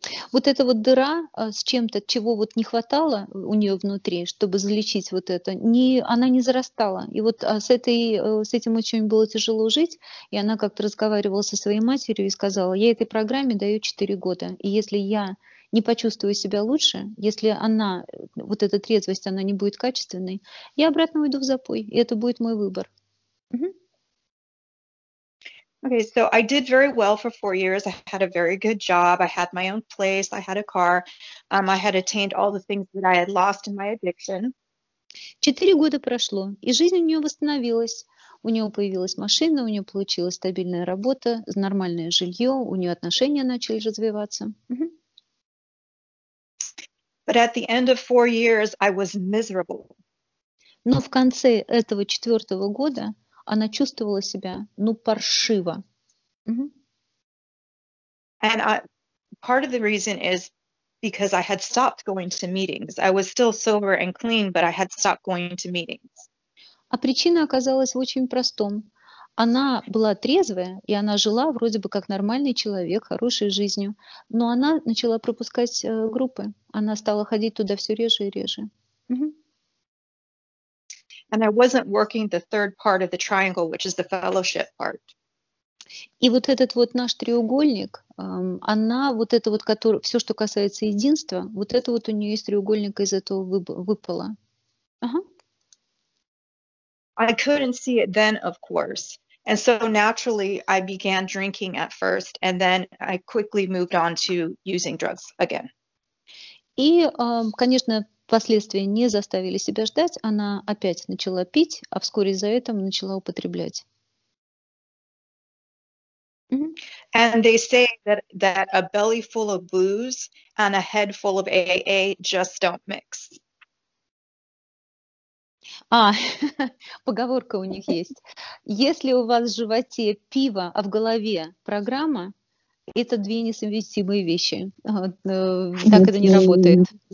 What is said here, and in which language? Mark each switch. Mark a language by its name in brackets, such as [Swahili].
[Russian] Вот эта вот дыра с чем-то, чего вот не хватало у нее внутри, чтобы залечить вот это, она не зарастала. И вот с этим очень было тяжело жить, и она как-то разговаривала со своей матерью и сказала, я этой программе даю 4 года, и если я не почувствую себя лучше, если она, вот эта трезвость, она не будет качественной, я обратно уйду в запой, и это будет мой выбор. [English] Okay, so I did very well for 4 years. I had a very good job. I had my own place. I had a car. I had attained all the things that I had lost in my addiction. [Russian] 4 года прошло, и жизнь у нее восстановилась. У нее появилась машина, у нее получилась стабильная работа, нормальное жилье, у нее отношения начали развиваться. [English] But at the end of 4 years, I was miserable. [Russian] Но в конце этого 4-го года она чувствовала себя, ну, паршиво. Mm-hmm. [English] And part of the reason is because I had stopped going to meetings. I was still sober and clean, but I had stopped going to meetings. [Russian] А причина оказалась в очень простом. Она была трезвая, и она жила вроде бы как нормальный человек, хорошей жизнью. Но она начала пропускать группы. Она стала ходить туда все реже и реже. Mm-hmm. [English] And I wasn't working the third part of the triangle, which is the fellowship part. [Russian] И вот этот вот наш треугольник, она вот это вот, который, все, что касается единства, вот это вот у нее из треугольника из этого выпало. [English] Uh-huh. I couldn't see it then, of course. And so naturally, I began drinking at first, and then I quickly moved on to using drugs again. [Russian] И, конечно, последствия не заставили себя ждать, она опять начала пить, а вскоре за это начала употреблять. Mm-hmm. [English] And they say that a belly full of booze and a head full of AA just don't mix. [Russian] А, поговорка у них есть. Если у вас в животе пиво, а в голове программа, это две несовместимые вещи. Так это не работает.